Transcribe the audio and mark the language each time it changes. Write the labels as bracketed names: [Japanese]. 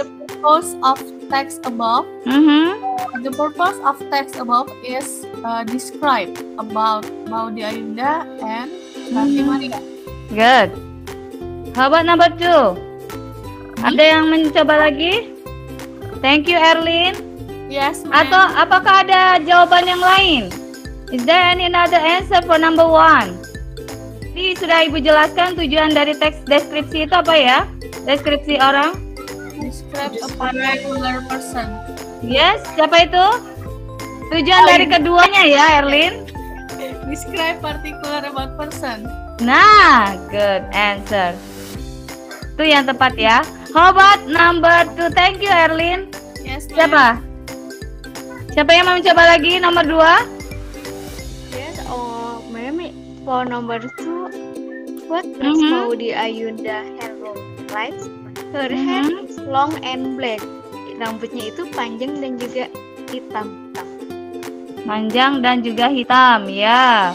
[English] What is the purpose of text above? The purpose of text above is describe about Maudi Ayunda and Santi Maria. Good. How about number two? [Indonesian] Ada yang mencoba lagi? [English] Thank you, Erlin. Yes, ma'am. [Indonesian] Atau apakah ada jawaban yang lain? [English] Is there any other answer for number one? [Indonesian] Ini sudah Ibu jelaskan tujuan dari teks deskripsi itu apa ya? Deskripsi orang? [English] Describe a particular person. [Indonesian] Yes, siapa itu? Tujuan dari keduanya ya, Erlin? [English] Describe particular about person. [Indonesian] Nah, [English] good answer. [Indonesian] Itu yang tepat ya. [English] How about number 2? Thank you, Erlin. Yes, ma'am. [Indonesian] Siapa? Siapa yang mau mencoba lagi nomor 2? [English] Yes, ma'am. For number 2, what does Maudi Ayunda have like? Her hair is long and black. [Indonesian] Rambutnya itu panjang dan juga hitam. Panjang dan juga hitam, ya.